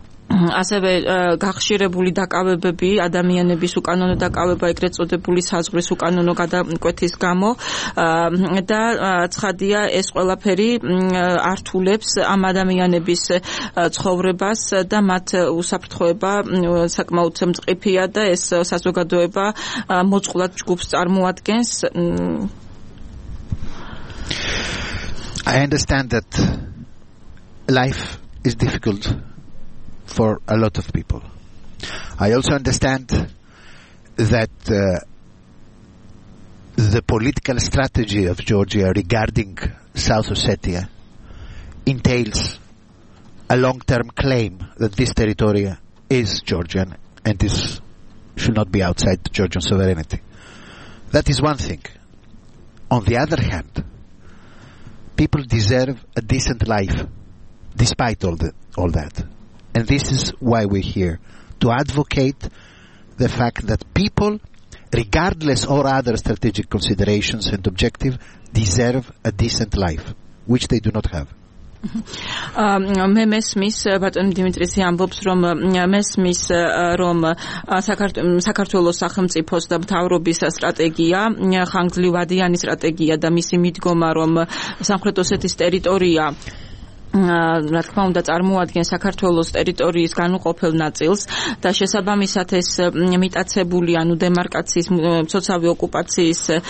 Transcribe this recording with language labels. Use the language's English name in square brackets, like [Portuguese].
[Georgian] ასევე გახშირებული დაკავებები ადამიანების უკანონო დაკავება ეგრეთ წოდებული საზღვრის უკანონო გადაკვეთის გამო და ცხადია ეს ყველაფერი ართულებს ამ ადამიანების ცხოვრებას და მათ უსაფრთხოება საკმაოდ მწყფია და ეს საზოგადოება მოწყვლად ჯგუფს წარმოადგენს. [English] I understand that life is difficult for a lot of people. I also understand that the political strategy of Georgia regarding South Ossetia entails a long-term claim that this territory is Georgian and this should not be outside Georgian sovereignty. That is one thing. On the other hand, people deserve a decent life despite all that. And this is why we're here, to advocate the fact that people, regardless of other strategic considerations and objective, deserve a decent life, which they do not have. [Georgian] მე მესმის ბატონ დიმიტრის ამბობს რომ მესმის რომ საქართველოს სახელმწიფოს და მთავრობის სტრატეგია ხანგრძლივადიანი სტრატეგია და მისი მიდგომა რომ სამხრეთ ოსეთის ტერიტორია რა თქმა უნდა წარმოადგენს საქართველოს ტერიტორიის განუყოფელ ნაწილს და შესაბამისად ეს მიტაცებული ანუ დემარკაციის მცოცავი ოკუპაციის